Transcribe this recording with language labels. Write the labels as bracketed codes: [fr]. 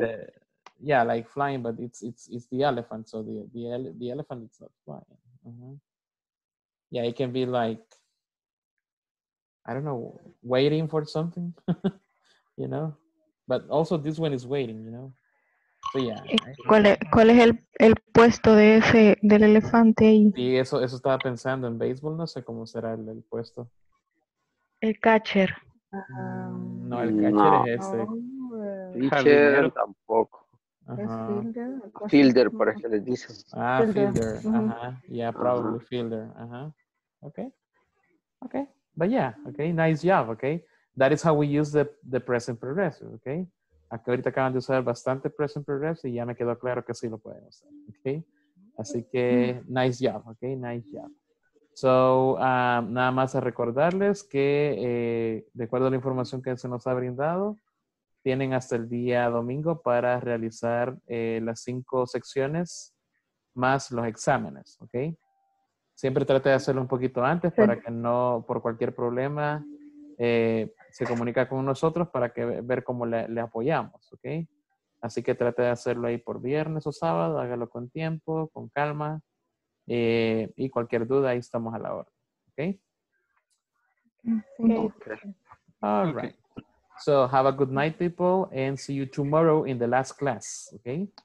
[en] The Yeah, like flying, but it's the elephant. So the elephant is not flying. Mm-hmm. Yeah, it can be like, I don't know, waiting for something, you know. But also this one is waiting, you know. So yeah. [es] ¿Cuál es el puesto de ese del elefante ahí? Sí, eso estaba pensando en béisbol. No sé cómo será el puesto. El catcher. No, el catcher no. Es ese. Catcher tampoco. Uh-huh. Fielder, por ejemplo, dicen. [en] Ah, fielder. Uh-huh. Yeah, probably uh-huh. Fielder. Uh-huh. Okay. Okay. But yeah, okay, nice job, okay? That is how we use the present progressive, okay? [es] Aquí ahorita acaban de usar bastante present progressive y ya me quedó claro que sí lo pueden usar, okay? Así que, [en] nice job, okay? Nice job. So, [es] nada más a recordarles que, de acuerdo a la información que se nos ha brindado, tienen hasta el día domingo para realizar las 5 secciones más los exámenes, okay? Siempre trate de hacerlo un poquito antes para que no, por cualquier problema, se comunica con nosotros para que ver cómo le apoyamos, ¿ok? Así que trate de hacerlo ahí por viernes o sábado, hágalo con tiempo, con calma, y cualquier duda, ahí estamos a la hora, ¿ok? [en] Okay. All right. So, have a good night, people, and see you tomorrow in the last class, ¿ok?